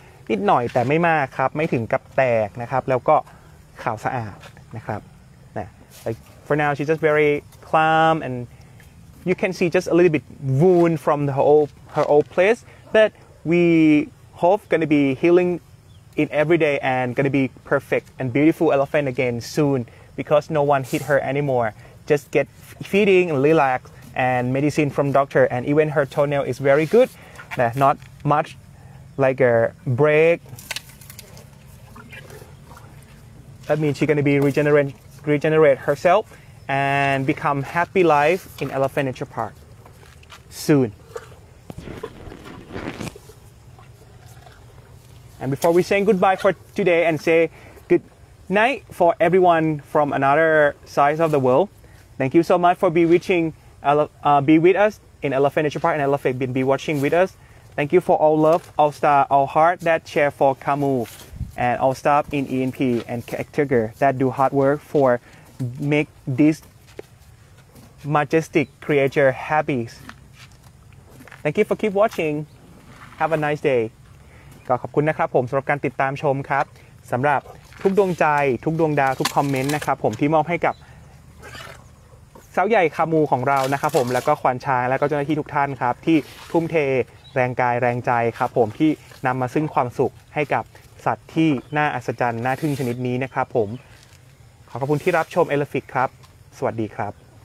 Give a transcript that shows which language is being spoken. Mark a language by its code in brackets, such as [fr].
[th] นิดหน่อยแต่ไม่มากครับไม่ถึงกับแตกนะครับแล้วก็ขาวสะอาดนะครับนะ [en] like for now she's just very calm and you can see just a little bit wound from her old place butWe hope gonna be healing in every day and gonna be perfect and beautiful elephant again soon because no one hit her anymore. Just get feeding, relax, and medicine from doctor. And even her toenail is very good, not much like a break. That means she's gonna be regenerate herself and become happy life in Elephant Nature Park soon. And before we say goodbye for today and say good night for everyone from another side of the world, thank you so much for be with us in Elephant Nature Park and Elephant be watching with us. Thank you for all love, all star, all heart that share for Kamu and all staff in ENP and Tiger that do hard work for make this majestic creature happy. Thank you for keep watching. Have a nice day. [th] ก็ขอบคุณนะครับผมสำหรับการติดตามชมครับสำหรับทุกดวงใจทุกดวงดาวทุกคอมเมนต์นะครับผมที่มอบให้กับสาวใหญ่คามูของเรานะครับผมแล้วก็ควานช้างแล้วก็เจ้าหน้าที่ทุกท่านครับที่ทุ่มเทแรงกายแรงใจครับผมที่นำมาซึ่งความสุขให้กับสัตว์ที่น่าอัศจรรย์น่าทึ่งชนิดนี้นะครับผมขอบคุณที่รับชมเอลฟิกครับสวัสดีครับ